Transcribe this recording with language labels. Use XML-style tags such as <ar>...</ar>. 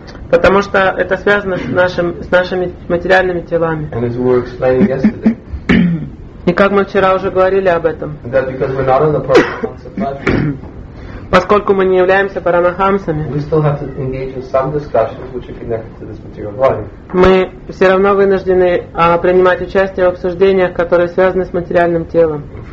<ru>Потому что это связано с нашими материальными телами.</ru> <en>And as we were explaining yesterday.</en> <ru>И как мы вчера уже говорили об этом.</ru> <en>That because we're not on the process of life.</en> <ru>Поскольку мы не являемся паранахамсами, мы все равно вынуждены принимать участие в обсуждениях, которые связаны с материальным телом.</ru>